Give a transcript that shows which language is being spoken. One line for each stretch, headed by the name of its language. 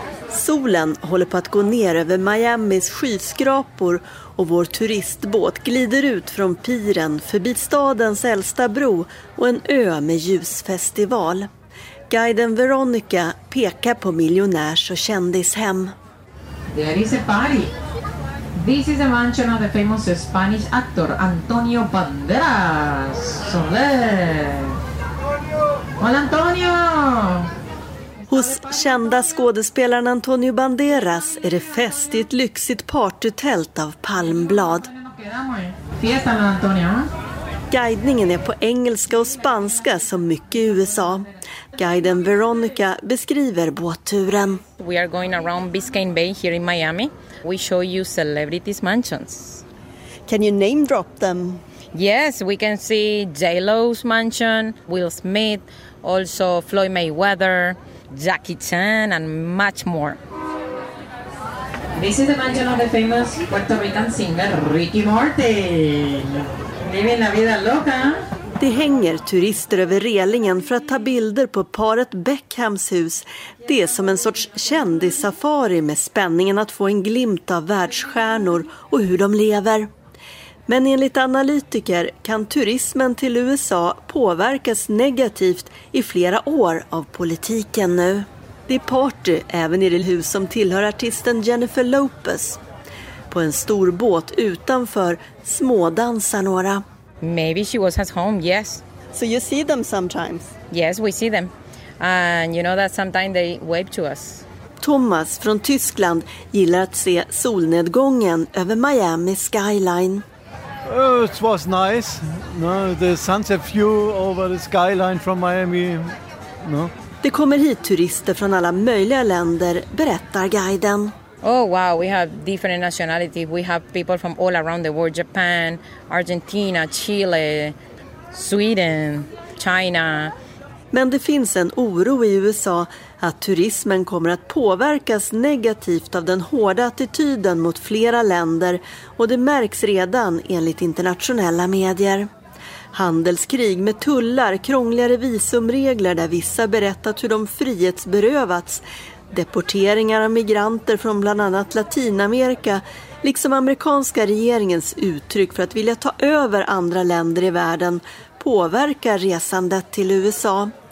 Swedish: Solen håller på att gå ner över Miamis skyskrapor och vår turistbåt glider ut från piren förbi stadens äldsta bro och en ö med ljusfestival. Guiden Veronica pekar på miljonärs- och kändishem.
English: There is a party. This is the mansion of the famous Spanish actor Antonio Banderas.
Spanish: Soler. Hola Antonio!
Swedish: Hos kända skådespelaren Antonio Banderas är det fest i ett lyxigt partytält av palmblad.
Spanish: Fiesta, Antonio.
Swedish: Guidningen är på engelska och spanska som mycket i USA. Guiden Veronica beskriver båtturen.
English: We are going around Biscayne Bay here in Miami. We show you celebrities mansions. Can you name drop them? Yes, we can see J-Lo's mansion, Will Smith, also Floyd Mayweather, Jackie Chan and much more. This is the mansion of the famous Puerto Rican singer Ricky Martin.
Swedish: Det hänger turister över relingen för att ta bilder på paret Beckhams hus. Det är som en sorts kändissafari med spänningen att få en glimt av världsstjärnor och hur de lever. Men enligt analytiker kan turismen till USA påverkas negativt i flera år av politiken nu. Det är party även i det hus som tillhör artisten Jennifer Lopez. På en stor båt utanför smådansar några.
English: Maybe she was at home, yes. So you see them sometimes? Yes, we see them. And you know that sometimes they wave to us.
Swedish: Thomas från Tyskland gillar att se solnedgången över Miami skyline.
English: It was nice. No, the sunset view over the skyline from Miami. No.
Swedish: Det kommer hit turister från alla möjliga länder, berättar guiden.
English: Oh wow, we have different nationalities. We have people from all around the world, Japan, Argentina, Chile, Sweden, China.
Swedish: Men det finns en oro i USA att turismen kommer att påverkas negativt av den hårda attityden mot flera länder, och det märks redan enligt internationella medier. Handelskrig med tullar, krångligare visumregler där vissa berättat hur de frihetsberövats, deporteringar av migranter från bland annat Latinamerika, liksom amerikanska regeringens uttryck för att vilja ta över andra länder i världen, påverkar resandet till USA.